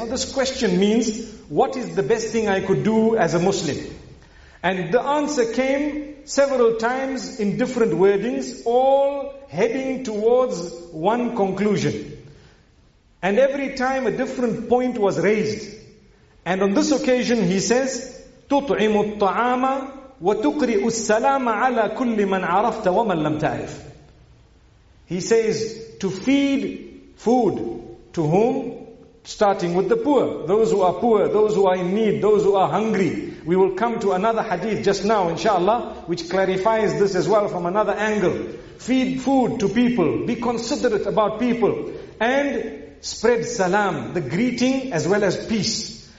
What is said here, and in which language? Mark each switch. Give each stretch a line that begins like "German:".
English: Now this question means, what is the best thing I could do as a Muslim? And the answer came several times in different wordings, all heading towards one conclusion. And every time a different point was raised. And on this occasion he says,
Arabic: تُطْعِمُ الطَّعَامَ وَتُقْرِئُ السَّلَامَ عَلَى كُلِّ مَنْ عَرَفْتَ وَمَنْ لَمْ تَعْرِفْ.
English: He says, to feed food to whom? Starting with the poor, those who are poor, those who are in need, those who are hungry. We will come to another hadith just now, inshallah, which clarifies this as well from another angle. Feed food to people, be considerate about people, and spread salam, the greeting, as well as peace.